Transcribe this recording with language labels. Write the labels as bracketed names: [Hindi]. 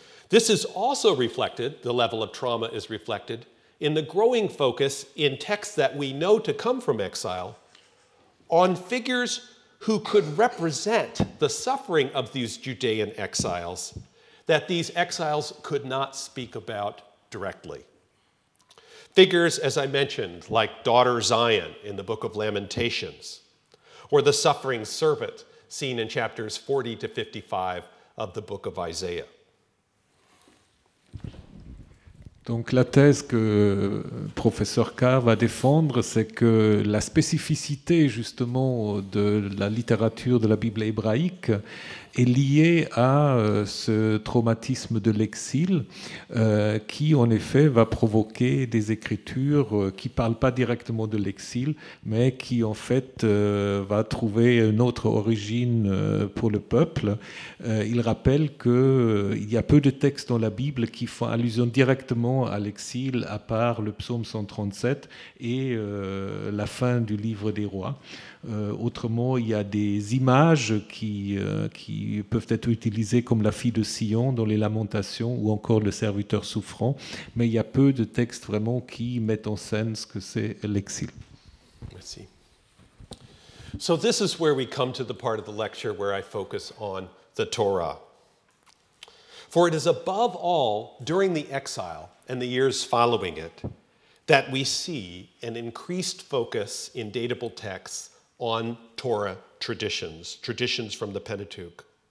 [English] This is also reflected, the level of trauma is reflected, in the growing focus in texts that we know to come from exile on figures who could represent the suffering of these Judean exiles that these exiles could not speak about directly. Figures, as I mentioned, like daughter Zion in the book of Lamentations, or the suffering servant seen in chapters 40 to 55 of the book of Isaiah. [French] Donc la thèse que professeur Carr va défendre, c'est que la spécificité justement de la littérature de la Bible hébraïque est liée à ce traumatisme de l'exil qui en effet va provoquer des écritures qui ne parlent pas directement de l'exil, mais qui en fait va trouver une autre origine pour le peuple. Il rappelle qu'il y a peu de textes dans la Bible qui font allusion directement à l'exil, à part le psaume 137 et la fin du livre des rois. Autrement, il y a des images qui peuvent être utilisées comme la fille de Sion dans les Lamentations ou encore le serviteur souffrant, mais il y a peu de textes vraiment qui mettent en scène ce que c'est l'exil. Merci. [English] So this is where we come to the part of the lecture where I focus on the Torah. For it is above all during the exile and the years following it that we see an increased focus in datable texts on Torah traditions, traditions from the Pentateuch.